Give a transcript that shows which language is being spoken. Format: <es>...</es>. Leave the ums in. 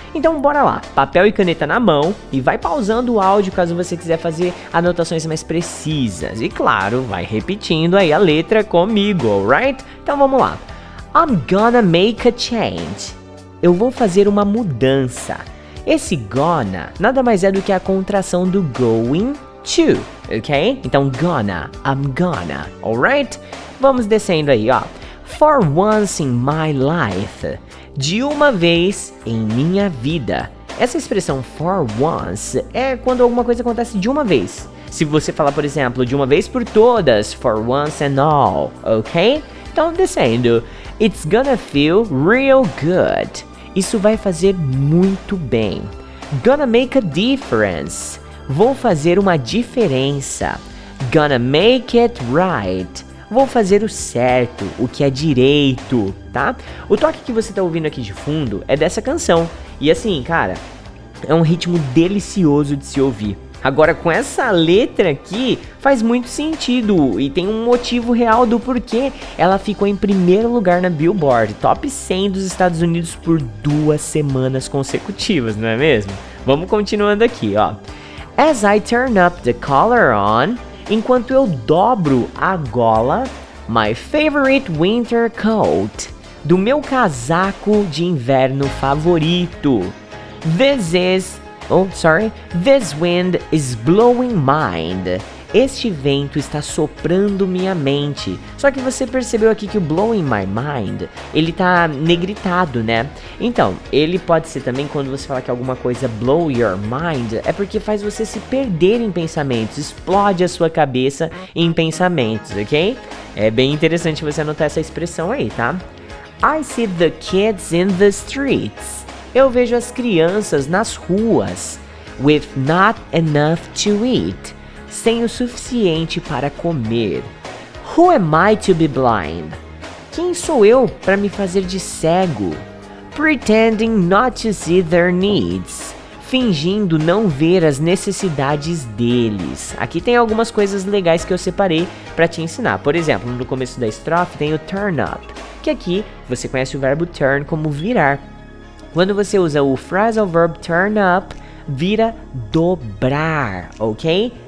<pt>Então bora lá, papel e caneta na mão e vai pausando o áudio caso você quiser fazer anotações mais precisas. E claro, vai repetindo aí a letra comigo, alright? Então vamos lá.</pt> <en>I'm gonna make a change.</en> <pt>Eu vou fazer uma mudança. Esse gonna nada mais é do que a contração do going to, ok? Então, gonna, I'm gonna, alright? Vamos descendo aí, ó.</pt> <en>For once in my life.</en> <pt>De uma vez em minha vida. Essa expressão for once é quando alguma coisa acontece de uma vez. Se você falar, por exemplo, de uma vez por todas,</pt> <en>for once and all,</en> <pt>ok? Então, descendo.</pt> <en>It's gonna feel real good.</en> <pt>Isso vai fazer muito bem.</pt> <en>Gonna make a difference.</en> <pt>Vou fazer uma diferença.</pt> <en>Gonna make it right.</en> <pt>Vou fazer o certo, o que é direito, tá? O toque que você está ouvindo aqui de fundo é dessa canção. E assim, cara, é um ritmo delicioso de se ouvir. Agora, com essa letra aqui, faz muito sentido e tem um motivo real do porquê ela ficou em primeiro lugar na Billboard, top 100 dos Estados Unidos por duas semanas consecutivas, não é mesmo? Vamos continuando aqui, ó.</pt> <en>As I turn up the collar on,</en> <pt>enquanto eu dobro a gola,</pt> <en>my favorite winter coat,</en> <pt>do meu casaco de inverno favorito.</pt> <en>Vezes Oh, sorry. This wind is blowing my mind.</en> <pt>Este vento está soprando minha mente. Só que você percebeu aqui que o blowing my mind, ele tá negritado, né? Então, ele pode ser também quando você fala que alguma coisa blow your mind, é porque faz você se perder em pensamentos, explode a sua cabeça em pensamentos, ok? É bem interessante você anotar essa expressão aí, tá?</pt> <en>I see the kids in the streets.</en> <pt>Eu vejo as crianças nas ruas</pt> <en>with not enough to eat,</en> <pt>sem o suficiente para comer.</pt> <en>Who am I to be blind?</en> <pt>Quem sou eu para me fazer de cego?</pt> <en>Pretending not to see their needs.</en> <pt>Fingindo não ver as necessidades deles. Aqui tem algumas coisas legais que eu separei para te ensinar. Por exemplo, no começo da estrofe tem o turn up, que aqui você conhece o verbo turn como virar, quando você usa o phrasal verb turn up, vira dobrar, ok?</pt>